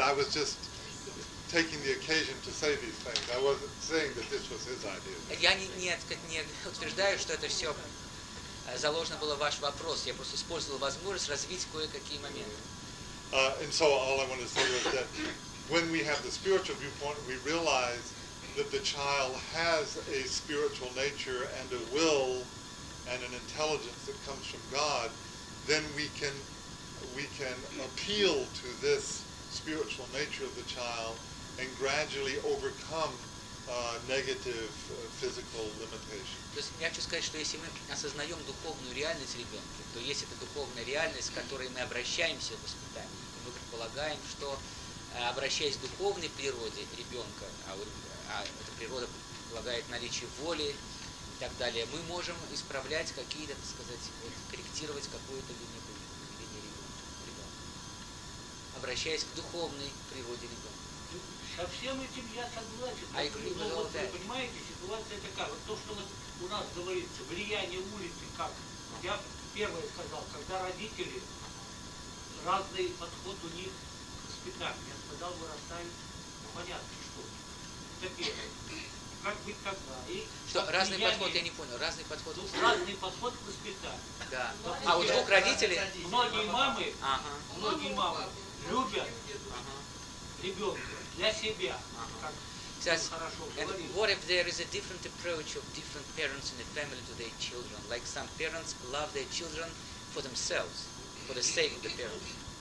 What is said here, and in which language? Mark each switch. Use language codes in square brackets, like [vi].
[en] I was just taking the occasion to say these things. I wasn't saying that this was his idea. [ru] Я не утверждаю, что это все заложено было в ваш вопрос. Я просто использовал возможность развить кое-какие моменты. [en] And so all I want to say is that when we have the spiritual viewpoint, we realize that the child has a spiritual nature and a will and an intelligence that comes from God, then we can appeal to this spiritual nature of the child and gradually overcome negative physical limitations. [ru] То есть я хочу сказать, что если мы осознаем духовную реальность ребенка, то есть эта духовная реальность, к которой мы обращаемся в воспитании, мы предполагаем, что обращаясь к духовной природе ребенка, а эта природа предполагает наличие воли, и так далее, мы можем исправлять какие-то, так сказать, вот, корректировать какую-то линию ребенка, обращаясь к духовной природе ребенка. Со всем этим я согласен. А если вы понимаете, ситуация такая, вот то, что у нас говорится, влияние улицы, как я первое сказал, когда родители, разный подход у них к воспитанию, я сказал, вырастает, ну, понятно, что это первое. Что, разный подход, я не понял, разный подход. Ну, разный подход к воспитанию. Да. А у двух родителей? Многие мамы любят ребенка для себя. Сейчас, [en] and what if there is a different approach of different parents in the family to their children? Like some parents love their children for themselves, for the sake of the parents.